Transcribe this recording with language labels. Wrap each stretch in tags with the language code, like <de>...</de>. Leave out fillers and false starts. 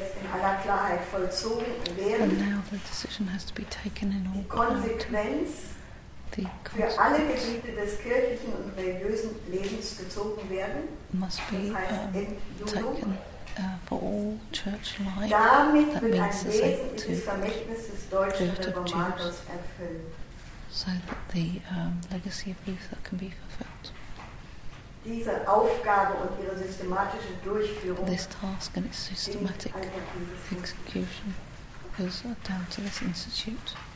<en>And now the decision has to be taken in all consequences.</en> <de>Für alle Gebiete des kirchlichen und religiösen Lebens gezogen werden.</de> <en>Must be taken for all church life.</en> <de>Damit wird ein wesentliches Vermächtnis des deutschen Reformators erfüllt.</de> <en>So that the legacy of Luther can be fulfilled.</en> <de>Diese Aufgabe und ihre systematische Durchführung.</de> <en>This task and its systematic execution is down to this institute.</en>